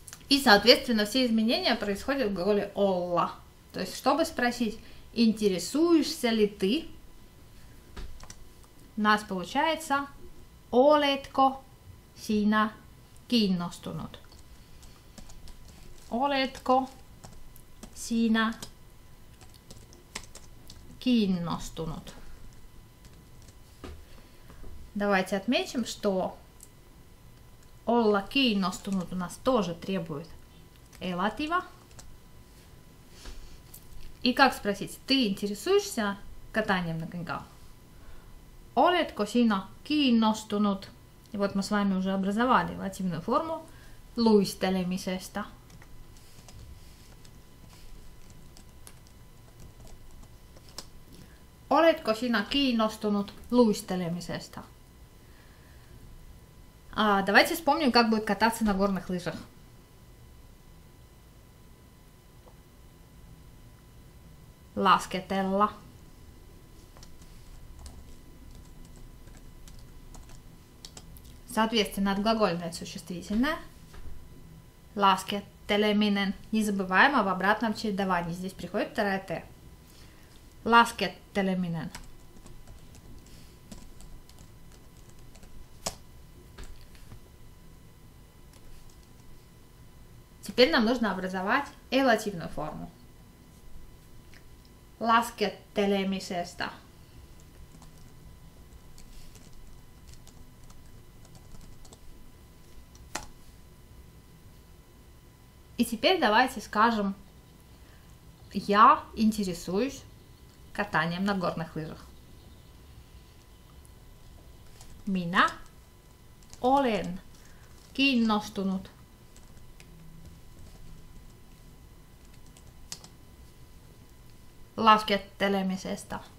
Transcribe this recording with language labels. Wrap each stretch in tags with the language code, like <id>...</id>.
<ru>И, соответственно, все изменения происходят в глаголе «olla». То есть, чтобы спросить, интересуешься ли ты, у нас получается</ru> <fi>«Oletko sinä kiinnostunut?» «Oletko sinä kiinnostunut?»</fi> <ru>Давайте отметим, что</ru> <fi>«Olla kiinnostunut»</fi> <ru>у нас тоже требует элатива. И как спросить, ты интересуешься катанием на коньках?</ru> <fi>Oletko sinä kiinnostunut?</fi> <ru>И вот мы с вами уже образовали лативную форму luistelemisestä.</ru> <fi>Oletko sinä kiinnostunut luistelemisestä?</fi> <ru>А давайте вспомним, как будет кататься на горных лыжах.</ru> <fi>Lasketella.</fi> <ru>Соответственно, отглагольное существительное.</ru> <fi>Laskettelemisen.</fi> <ru>Не забываем об обратном чередовании. Здесь приходит вторая Т.</ru> <fi>Laskettelemisen.</fi> <ru>Теперь нам нужно образовать элативную форму.</ru> <fi>Laskettelemisestä.</fi> <ru>И теперь давайте скажем «Я интересуюсь катанием на горных лыжах».</ru> <fi>Minä olen kiinnostunut. Laskettelemisestä.</fi>